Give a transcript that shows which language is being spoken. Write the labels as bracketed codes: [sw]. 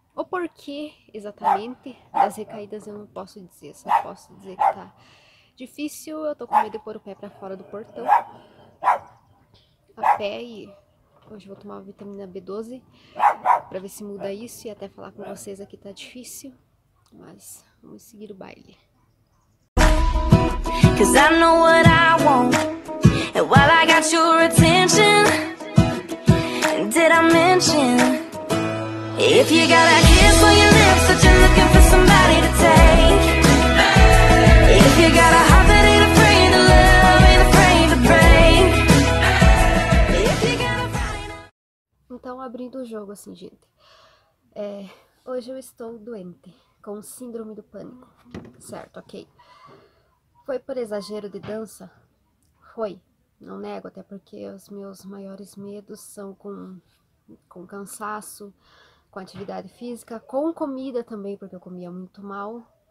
[pt] O porquê, exatamente, das recaídas eu não posso dizer, só posso dizer que tá difícil, eu tô com medo de pôr o pé pra fora do portão, a pé, e hoje vou tomar uma vitamina B12 pra ver se muda isso, e até falar com vocês aqui tá difícil, mas vamos seguir o baile. [en] 'Cause I know what I want. And while I got your attention, did I mention? If you got a kiss on your lips that you're looking for somebody to take, if you got a heart that ain't afraid to love, ain't afraid to break, if you got a body... [pt] Então, abrindo o jogo assim, gente. É, hoje eu estou doente, com síndrome do pânico. Certo, ok. Foi por exagero de dança? Foi. Não nego, até porque os meus maiores medos são com cansaço, com atividade física, com comida também, porque eu comia muito mal.